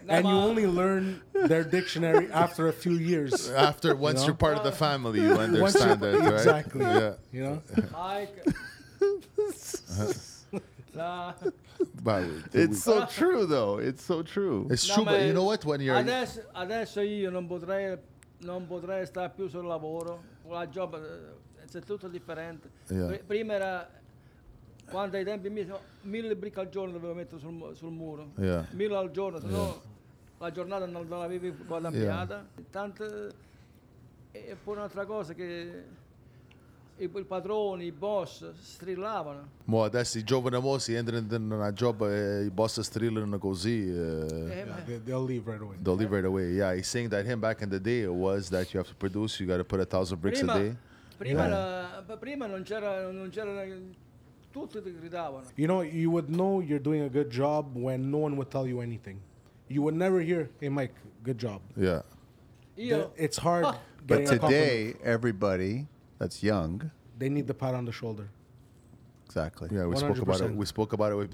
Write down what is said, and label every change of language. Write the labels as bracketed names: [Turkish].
[English] And you only learn their dictionary after a few years. After once, you know? You're part of the family, you understand that, right? Exactly. Yeah. You know? Mike. It's so true, though. It's so true. It's true, but you know what? When you're [Italian] adesso io non potrei stare più sul lavoro. La job. [English] It's [Italian] tutto differente. [English] Yeah. [Italian] Prima era quando ai tempi miei 1000 brick al giorno dovevo mettere sul muro. [English] Yeah. [Italian] 1000 al giorno, sennò la giornata non l'avevi guadagnata. Yeah. Tanto e poi un'altra cosa che i padroni, i boss strillavano. Mo adesso i giovani mossi entrano in una job e i boss strillano così. [English] They'll leave right away. They'll leave right away. Yeah, he's saying that him back in the day it was that you have to produce, you got to put 1,000 bricks [Italian] prima, [English] a day. [Italian] Prima non c'era, tutti ti gridavano. [English] You know, you would know you're doing a good job when no one would tell you anything. You would never hear, hey, Mike, good job. Yeah. It's hard. But today, everybody that's young, they need the pat on the shoulder. Exactly. Yeah, we spoke about it.